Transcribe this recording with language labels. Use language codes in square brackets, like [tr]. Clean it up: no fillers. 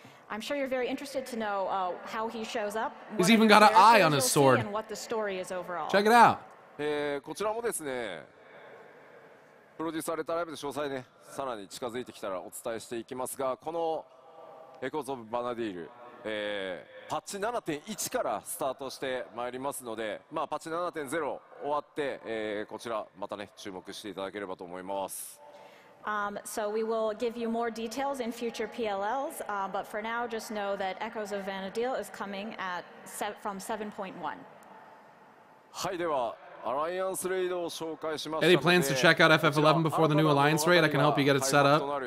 [en] I'm sure you're very interested to know how he shows up. He's even got an eye on his sword. And what the story is overall. Check it out. [ja] こちらもですね、プロデュースされたライブで詳細ね、さらに近づいてきたらお伝えしていきますが、このエコーズ・オブ・バナディール、パッチ 7.1 からスタートしてまいりますので、まあ、パッチ 7.0 終わって、こちらまたね、注目していただければと思います。 [en] So we will give you more details in future PLLs, but for now, just know that Echoes of Vanadil is coming at from 7.1. はい、ではアライアンスレイドを紹介しました。 Any plans to check out FF11 before the new Alliance raid? I can help you get it set up.